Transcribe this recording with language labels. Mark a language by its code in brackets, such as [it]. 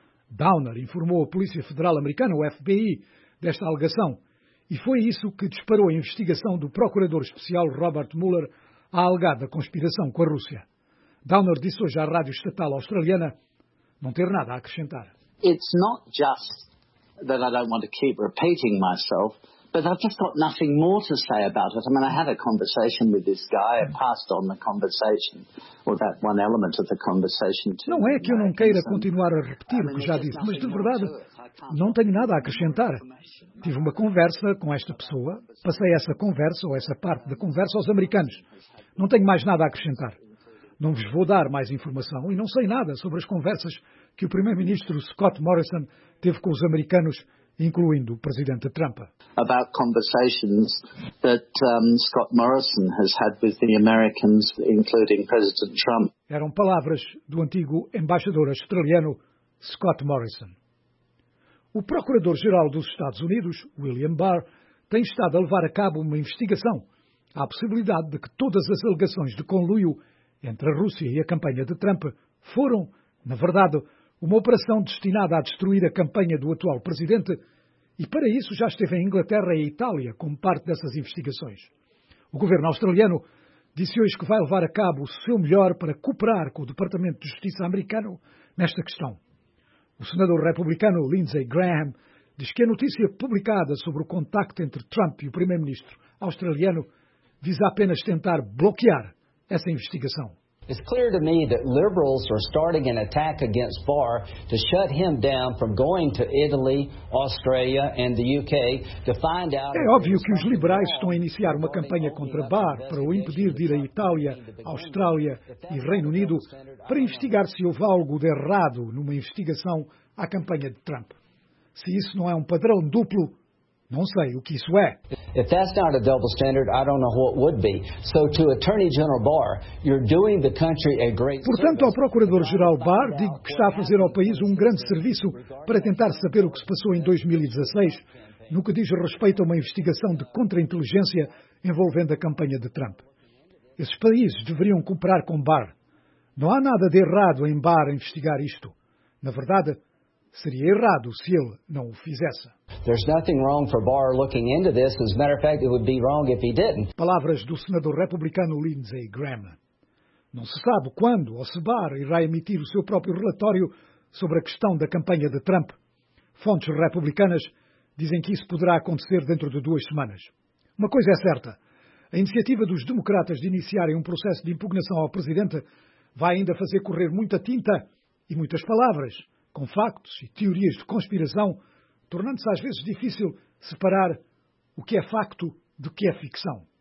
[pt] Downer informou a Polícia Federal Americana, o FBI, desta alegação, e foi isso que disparou a investigação do procurador especial Robert Mueller à alegada conspiração com a Rússia. Downer disse hoje à rádio estatal australiana não ter nada a acrescentar. [en] It's not just that I don't want to keep repeating myself, but I've just got nothing more to say about it. I mean, I had a conversation with this guy, I passed on the conversation, or that one element of the conversation to. [pt] Não é que eu não queira continuar a repetir o que já disse, mas de verdade, não tenho nada a acrescentar. Tive uma conversa com esta pessoa, passei essa conversa ou essa parte da conversa aos americanos. Não tenho mais nada a acrescentar. Não vos vou dar mais informação e não sei nada sobre as conversas que o primeiro-ministro Scott Morrison teve com os americanos, incluindo o presidente Trump. [en] About conversations that Scott Morrison has had with the Americans, including President Trump. [pt] Eram palavras do antigo embaixador australiano Scott Morrison. O procurador-geral dos Estados Unidos, William Barr, tem estado a levar a cabo uma investigação à possibilidade de que todas as alegações de conluio entre a Rússia e a campanha de Trump foram, na verdade, uma operação destinada a destruir a campanha do atual presidente, e para isso já esteve em Inglaterra e Itália como parte dessas investigações. O governo australiano disse hoje que vai levar a cabo o seu melhor para cooperar com o Departamento de Justiça americano nesta questão. O senador republicano Lindsey Graham diz que a notícia publicada sobre o contacto entre Trump e o primeiro-ministro australiano visa apenas tentar bloquear essa investigação. [en] It's clear to me that liberals are starting an attack against Barr to shut him down from going to Italy, Australia and the UK to find out. [pt] É óbvio que os liberais estão a iniciar uma campanha contra Barr para o impedir de ir à Itália, Austrália e Reino Unido para investigar se houve algo de errado numa investigação à campanha de Trump. Se isso não é um padrão duplo, não sei o que isso é. [en] If that's not a double standard, I don't know what would be. So to Attorney General Barr, you're doing the country a great. [pt] Portanto, ao Procurador-Geral Barr, digo que está a fazer ao país um grande serviço para tentar saber o que se passou em 2016 no que diz respeito a uma investigação de contra-inteligência envolvendo a campanha de Trump. Esses países deveriam cooperar com Barr. Não há nada de errado em Barr investigar isto. Na verdade, seria errado se ele não o fizesse. [en] There's nothing wrong for Barr looking into this. As a matter of fact, it would be wrong if he didn't. [pt] Palavras do senador republicano Lindsey Graham. Não se sabe quando ou se Barr irá emitir o seu próprio relatório sobre a questão da campanha de Trump. Fontes republicanas dizem que isso poderá acontecer dentro de duas semanas. Uma coisa é certa. A iniciativa dos democratas de iniciarem um processo de impugnação ao presidente vai ainda fazer correr muita tinta e muitas palavras, com factos e teorias de conspiração, tornando-se às vezes difícil separar o que é facto do que é ficção.